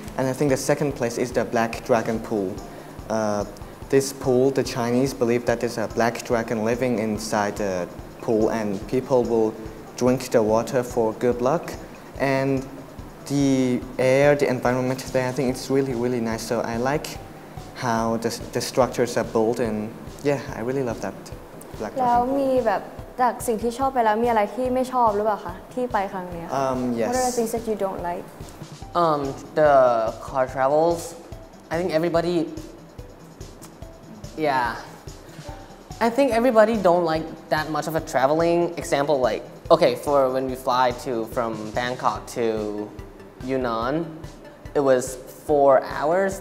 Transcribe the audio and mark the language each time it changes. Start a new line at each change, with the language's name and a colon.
English: And I think the second place is the Black Dragon Pool. This pool, the Chinese believe that there's a black dragon living inside the pool, and people will drink the water for good luck. And the air, the environment there, I think it's really, really nice. So I like how the structures are built, and yeah, I really love that
Thai: Black Dragon Pool. แล้วมีแบบจากสิ่งที่ชอบไปแล้วมีอะไรที่ไม่ชอบหรือเปล่าคะที่ไปครั้งนี้
English: Yes. What are the things that you don't like? The car travels. I think everybody. Yeah. I think everybody don't like that much of a traveling example. Like, okay, for when we fly to from Bangkok to Yunnan, it was 4 hours.